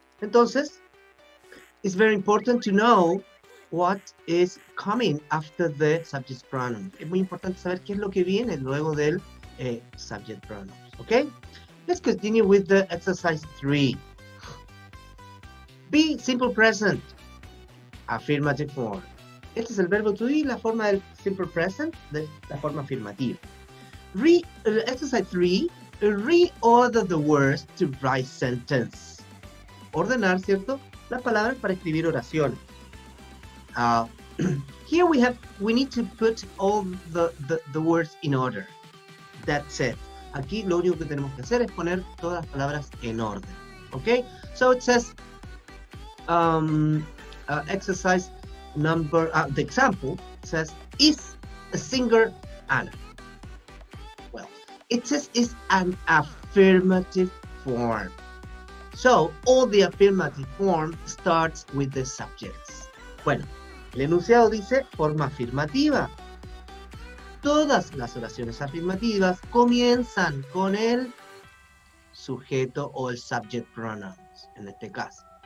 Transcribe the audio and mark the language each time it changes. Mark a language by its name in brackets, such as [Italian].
[Spanish] Entonces, [English] it's very important to know what is coming after the subject pronoun. [Spanish] Es muy importante saber qué es lo que viene luego del subject pronoun. [English] ¿Ok? Let's continue with the exercise 3. Be simple present. Affirmative form. [Spanish] Este es el verbo to be, la forma del simple present, de la forma afirmativa. [English] Exercise 3. Reorder the words to write sentence. [Spanish] Ordenar, ¿cierto? Las palabras para escribir oraciones. [English] Here we need to put all the words in order. That's it. [Spanish] Aquí lo único que tenemos que hacer es poner todas las palabras en orden. [English] Okay? So it says, exercise number, the example says, is a singer Anna? Well, it says is an affirmative form. So all the affirmative form starts with the subjects. [Spanish] Bueno. El enunciado dice forma afirmativa. Todas las oraciones afirmativas comienzan con el sujeto o el subject pronoun, en este caso.